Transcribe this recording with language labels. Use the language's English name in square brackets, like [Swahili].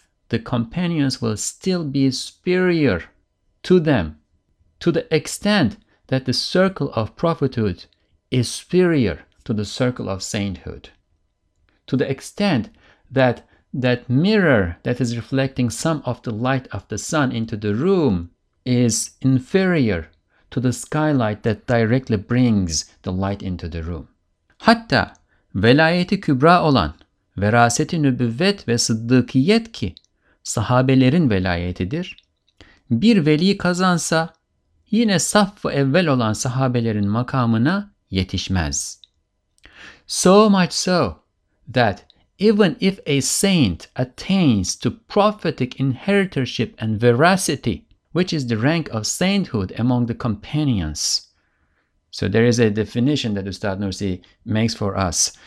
[English] The companions will still be superior to them, to the extent that the circle of prophethood is superior to the circle of sainthood, to the extent that that mirror that is reflecting some of the light of the sun into the room is inferior to the skylight that directly brings the light into the room. [Turkish] Hatta velayeti kübra olan veraseti nübüvvet ve sıddıkiyet ki sahabelerin velayetidir, bir veli kazansa yine saf-ı evvel olan sahabelerin makamına yetişmez. [English] So much so that even if a saint attains to prophetic inheritorship and veracity, which is the rank of sainthood among the companions. So there is a definition that Ustad Nursi makes for us.